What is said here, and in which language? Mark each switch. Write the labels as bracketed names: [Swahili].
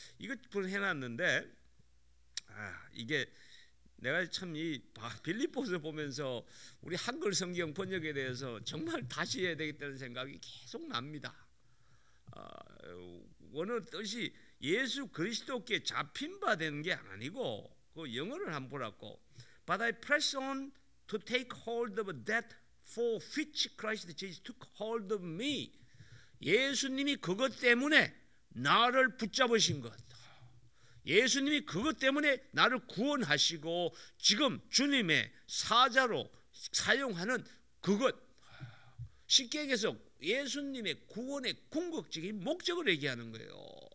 [Korean] 이것 해놨는데 이게 내가 참 이 빌립보서 보면서 우리 한글 성경 번역에 대해서 정말 다시 해야 되겠다는 생각이 계속 납니다. 어느 뜻이 예수 그리스도께 잡힌 바 되는 게 아니고 그 영어를 한번 보라고. [English] But I press on to take hold of that for which Christ Jesus took hold of me. [Korean] 예수님이 그것 때문에 나를 붙잡으신 것. 예수님이 그것 때문에 나를 구원하시고 지금 주님의 사자로 사용하는 그것. 쉽게 얘기해서 예수님의 구원의 궁극적인 목적을 얘기하는 거예요.